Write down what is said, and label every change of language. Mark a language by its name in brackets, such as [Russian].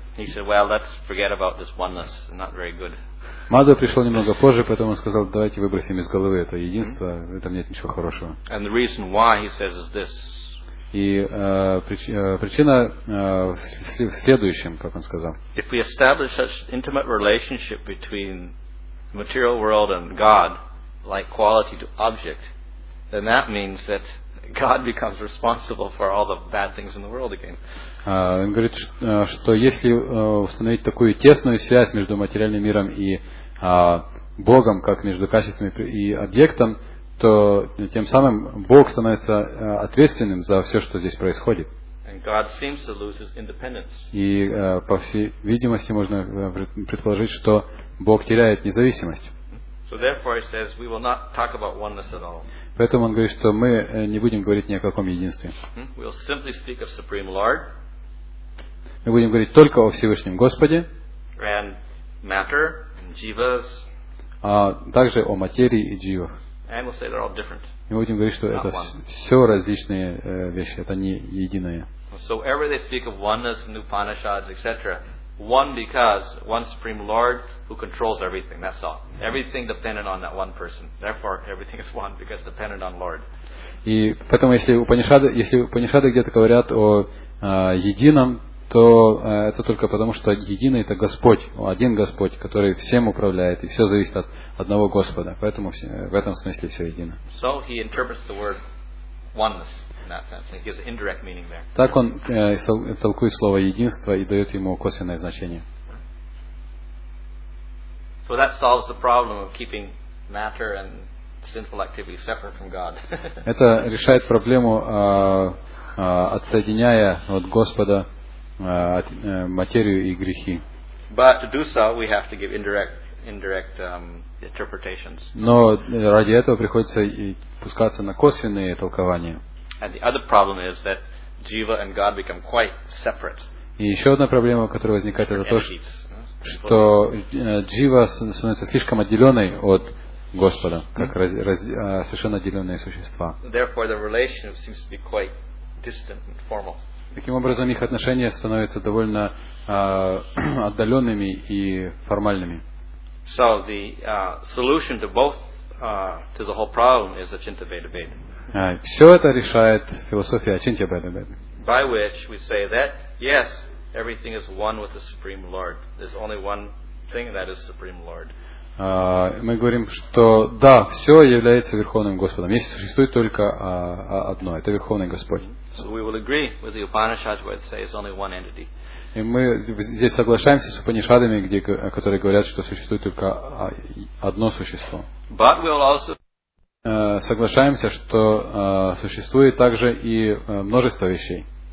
[English] He said, "Well, let's forget about this oneness. Not very good." [Russian] Мадхва пришел немного позже, поэтому он сказал: "Давайте выбросим из головы это единство. В этом нет ничего хорошего." [English] And the reason why he says is this. [Russian] И причина в следующем, как он сказал. [English] If we establish such intimate relationship between the material world and God, like quality to object, then that means that God becomes responsible for all the bad things in the world again. [Russian] Он говорит, что если установить такую тесную связь между материальным миром и Богом, как между качествами и объектом, то тем самым Бог становится ответственным за все, что здесь происходит. [English] And God seems to lose his independence. [Russian] И по всей видимости можно предположить, что Бог теряет независимость. [English] So therefore, he says, we will not talk about oneness at all. [Russian] Поэтому он говорит, что мы не будем говорить ни о каком единстве. [English] We'll simply speak of Supreme Lord. [Russian] Мы будем говорить только о Всевышнем Господе. [English] And matter, and jivas. [Russian] А также о материи и дживах. [English] And we'll say they're all different. [Russian] Мы будем говорить, что [English] not [Russian] это [English] one. [Russian] Все различные вещи, это не единое. [English] So wherever they speak of oneness in Upanishads, etc. One because one supreme Lord who controls everything. That's all. Everything dependent on that one person. Therefore, everything is one because dependent on Lord. [Russian] И поэтому, если Упанишады где-то говорят о едином, то это только потому, что единый это Господь, один Господь, который всем управляет, и все зависит от одного Господа. Поэтому в этом смысле все едино. [English] So he interprets the word oneness. That gives an indirect meaning there. [Russian] Так он толкует слово единство и дает ему косвенное значение. [English] So that solves the problem of keeping matter and sinful activity separate from God. [Russian] Это решает проблему, отсоединяя от Господа материю и грехи. [English] But to do so, we have to give indirect interpretations. [Russian] Но ради этого приходится и пускаться на косвенные толкования. [English] And the other problem is that jiva and God become quite separate. [Russian] И еще одна проблема, которая возникает, это то, что jiva становится слишком отделенной от Господа, как совершенно отделенные существа. [English] Therefore, the relationship seems to be quite distant and formal. [Russian] Таким образом, их отношения становятся довольно отдаленными и формальными. [English] So the solution to both to the whole problem is Achintya Bheda Bheda. [Russian] Все это решает философия Ачинтья Бхеда-Бхеда. [English] By which we say that yes, everything is one with the Supreme Lord. There's only one thing that is Supreme Lord. [Russian] Мы говорим, что да, все является Верховным Господом. Если существует только одно, это Верховный Господь. [English] So we will agree with the Upanishads where it says only one entity. [Russian] И мы здесь соглашаемся с Упанишадами, которые говорят, что существует только одно существо. [English] But we will also [Russian] Соглашаемся, что существует также и множество вещей.